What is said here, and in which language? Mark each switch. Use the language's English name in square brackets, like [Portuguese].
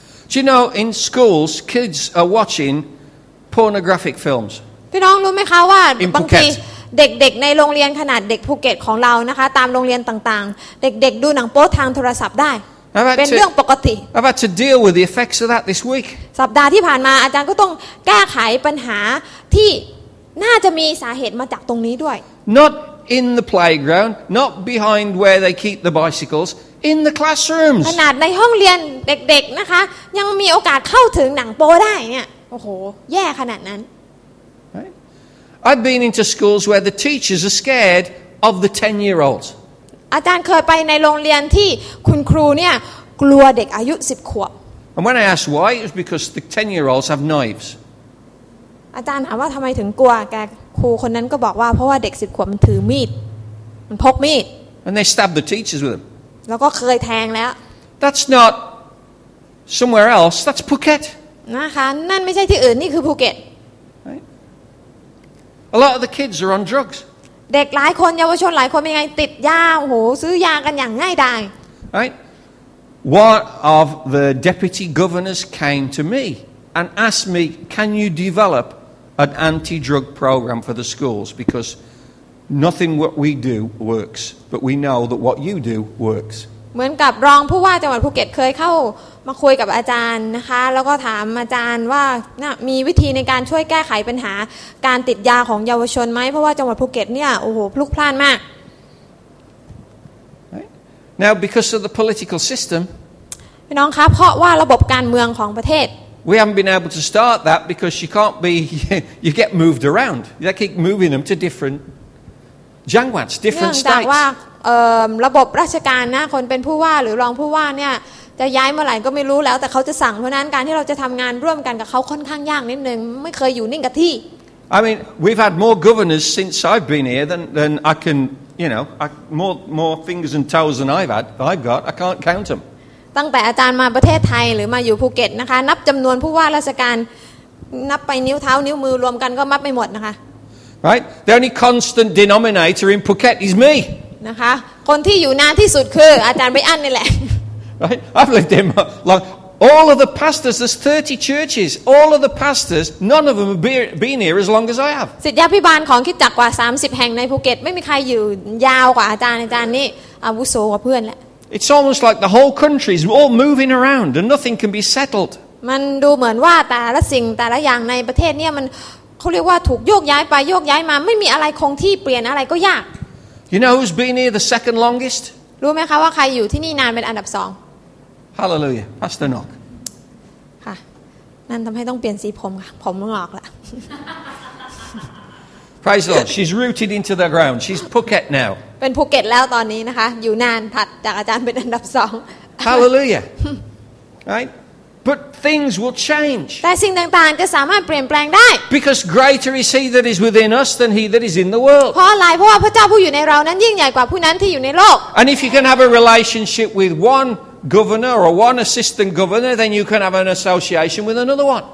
[English] Do you know in schools kids are watching pornographic films? [Thai] พี่น้องรู้ไหมคะว่าบางทีเด็กๆในโรงเรียนขนาดเด็กภูเก็ตของเรานะคะตามโรงเรียนต่างๆเด็กๆดูหนังโป๊ทางโทรศัพท์ได้เป็นเรื่องปกติ [English] I've had to deal with the effects of that this week. [Thai] สัปดาห์ที่ผ่านมาอาจารย์ก็ต้องแก้ไขปัญหาที่น่าจะมีสาเหตุมาจากตรงนี้ด้วย [English] Not in the playground, not behind where they keep the bicycles, in the classrooms. [Thai] ขนาดในห้องเรียนเด็กๆนะคะยังมีโอกาสเข้าถึงหนังโป๊ได้เนี่ยโอ้โหแย่ขนาดนั้น [English] I've been into schools where the teachers are scared of the 10-year-olds. [Thai] อาจารย์เคยไปในโรงเรียนที่คุณครูเนี่ยกลัวเด็กอายุ10ขวบ [English] And when I asked why it was because the 10-year-olds have knives [Thai] อาจารย์ถามว่าทำไมถึงกลัวแกครูคนนั้นก็บอกว่าเพราะว่าเด็ก10ขวบมันถือมีดมันพกมีด [English] And they stabbed the teachers with them [Thai] แล้วก็เคยแทงแล้ว [English] That's not somewhere else that's Phuket [Thai] นะคะนั่นไม่ใช่ที่อื่นนี่คือภูเก็ต [English] A lot of the kids are on drugs [Thai] เด็กหลายคนเยาวชนหลายคนเป็นไงติดยาโอ้โหซื้อยากันอย่างง่ายดาย [English] Right One of the deputy governors came to me and asked me can you develop an anti-drug program for the schools because nothing what we do works but we know that what you do works [Thai] เหมือนกับรองผู้ว่าจังหวัดภูเก็ตเคยเข้ามาคุยกับอาจารย์นะคะแล้วก็ถามอาจารย์ว่ามีวิธีในการช่วยแก้ไขปัญหาการติดยาของเยาวชนไหมเพราะว่าจังหวัดภูเก็ตเนี่ยโอ้โหพลุกพล่านมาก [English] Now because of the political system [Thai] พี่น้องคะเพราะว่าระบบการเมืองของประเทศ [English] We haven't been able to start that because you can't be you get moved around they keep moving them to different jangwats different states [Thai] เนื่องจากว่าระบบราชการนะคนเป็นผู้ว่าหรือรองผู้ว่าเนี่ยจะย้ายเมื่อไหร่ก็ไม่รู้แล้วแต่เขาจะสั่งเพราะนั้นการที่เราจะทำงานร่วมกันกับเขาค่อนข้างยากนิดนึงไม่เคยอยู่นิ่งกับที่ [English] I mean we've had more governors since I've been here than I can you know more fingers and toes than I've got I can't count them [Thai] ตั้งแต่อาจารย์มาประเทศไทยหรือมาอยู่ภูเก็ตนะคะนับจำนวนผู้ว่าราชการนับไปนิ้วเท้านิ้วมือรวมกันก็มับไปหมดนะคะ [English] Right the only constant denominator in Phuket is me [Thai] นะคะคนที่อยู่นานที่สุดคืออาจารย์ไบอันนี่แหละ [English] Right, I've lived here long. All of the pastors, there's 30 churches. All of the pastors, none of them have been here as long as I have. [Thai] ศิษยาภิบาลของคริสตจักรกว่า30แห่งในภูเก็ตไม่มีใครอยู่ยาวกว่าอาจารย์นี่อาวุโสกว่าเพื่อนแล้ว [English] It's almost like the whole country is all moving around and nothing can be settled. [Thai] มันดูเหมือนว่าแต่ละสิ่งแต่ละอย่างในประเทศเนี่ยมันเขาเรียกว่าถูกโยกย้ายไปโยกย้ายมาไม่มีอะไรคงที่เปลี่ยนอะไรก็ยาก [English] You know who's been here the second longest? [Thai] รู้ไหมคะว่าใครอยู่ที่นี่นานเป็นอันดับ2 [English] Hallelujah, Pastor Nock. [Thai] ค่ะ นั่นทำให้ต้องเปลี่ยนสีผมค่ะ ผมงอกละ [English] Praise the Lord. She's rooted into the ground. She's Phuket now. [Thai] เป็นภูเก็ตแล้วตอนนี้นะคะ อยู่นานถัดจากอาจารย์เป็นอันดับ2 [English] Hallelujah. Right? But things will change. [Thai] แต่สิ่งต่างๆจะสามารถเปลี่ยนแปลงได้ [English] Because greater is he that is within us than he that is in the world. [Thai] เพราะอะไรเพราะว่าพระเจ้าผู้อยู่ในเรานั้นยิ่งใหญ่กว่าผู้นั้นที่อยู่ในโลก [English] And if you can have a relationship with one governor or one assistant governor then you can have an association with another one.